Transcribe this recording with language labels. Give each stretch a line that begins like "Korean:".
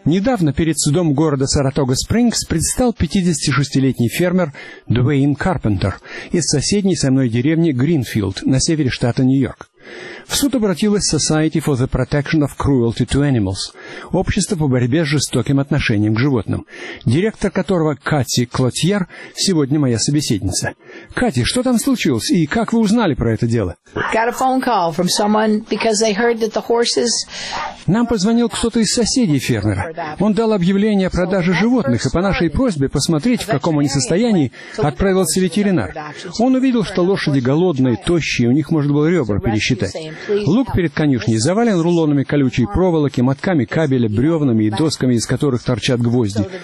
Russian: Недавно перед судом города Саратога-Спрингс предстал 56-летний фермер Дуэйн Карпентер из соседней со мной деревни Гринфилд на севере штата Нью-Йорк. В суд обратилась Society for the Protection of Cruelty to Animals, общество по борьбе с жестоким отношением к животным, директор которого Кати Клотьер сегодня моя собеседница. Кати, что там случилось и как вы узнали про это дело?
English: Got a phone call from someone because they heard that the horses.
Russian: Нам позвонил кто-то из соседей фермера. Он дал объявление о продаже животных, и по нашей просьбе посмотреть, в каком они состоянии, отправился ветеринар. Он увидел, что лошади голодные, тощие, у них, может, было ребра пересчитать. Луг перед конюшней завален рулонами колючей проволоки, мотками кабеля, бревнами и досками, из которых торчат гвозди.